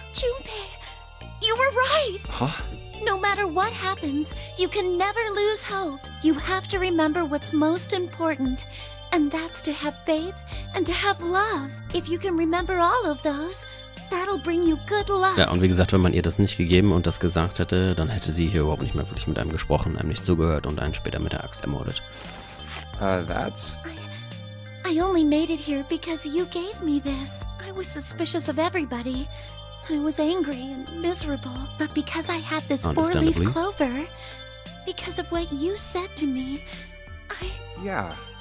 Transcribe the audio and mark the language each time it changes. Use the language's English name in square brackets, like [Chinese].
[English] Junpei... You were right! Huh? No matter what happens, you can never lose hope. You have to remember what's most important, and that's to have faith and to have love. If you can remember all of those, that'll bring you good luck. [German] Ja, und wie gesagt, wenn man ihr das nicht gegeben und das gesagt hätte, dann hätte sie hier überhaupt nicht mehr wirklich mit einem gesprochen, einem nicht zugehört und einen später mit der Axt ermordet. [English] That's... I only made it here because you gave me this. I was suspicious of everybody. I was angry and miserable, but because I had this four-leaf clover, because of what you said to me, I... Yeah.